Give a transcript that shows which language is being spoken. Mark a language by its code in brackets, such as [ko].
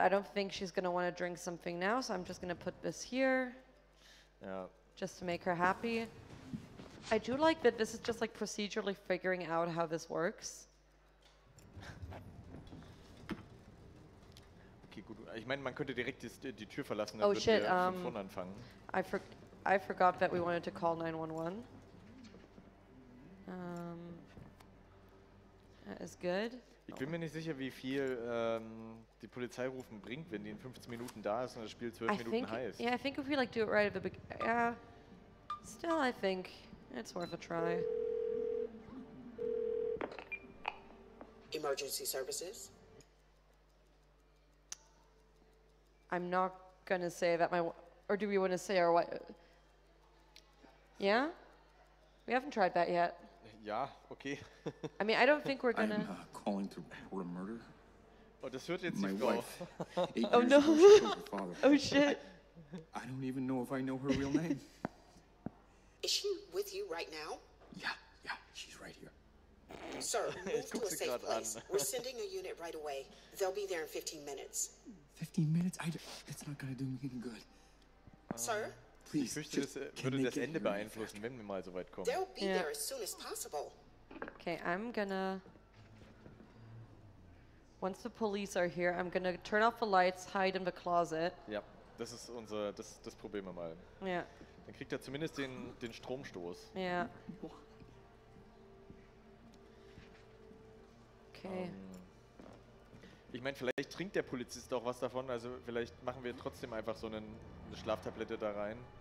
[en] I don't think she's gonna want to drink something now, so I'm just gonna put this here. Yeah. Just to make her happy. I do like that this is just like procedurally figuring out how this works. Okay, gut. [de] Ich meine, man könnte direkt die Tür verlassen. [en] Oh shit. [de] Von anfangen. [en] I forgot that we wanted to call 911. That is good. [de] Ich bin mir nicht sicher, wie viel die Polizei rufen bringt, wenn die in 15 Minuten da ist und das Spiel 12 Minuten heißt. [en] Yeah, I think if we like do it right at the beginning. Yeah. Still, I think it's worth a try. Emergency services. I'm not gonna say that my. Or do we want to say our what? Yeah? We haven't tried that yet. Yeah, okay. I mean, I don't think we're gonna... I'm calling to report a murder. [de] Oh, das hört jetzt [en] My wife. [de] Auf. [en] Oh, no. Oh, shit. I don't even know if I know her real name. Is she with you right now? Yeah, she's right here. Sir, move to a safe place. An. We're sending a unit right away. They'll be there in 15 minutes. 15 minutes? That's not gonna do me any good. Sir? Please, [de] ich fürchte, das würde das Ende beeinflussen, wenn wir mal so weit kommen. [en] They'll be there as soon as possible. Okay, I'm gonna Once the police are here, I'm gonna turn off the lights, hide in the closet. [de] Ja, das ist unser, das probieren wir mal. Ja. [en] Yeah. [de] Dann kriegt er zumindest den Stromstoß. Ja. [en] Yeah. Okay. [de] Ich meine, vielleicht trinkt der Polizist auch was davon, also vielleicht machen wir trotzdem einfach so eine Schlaftablette da rein.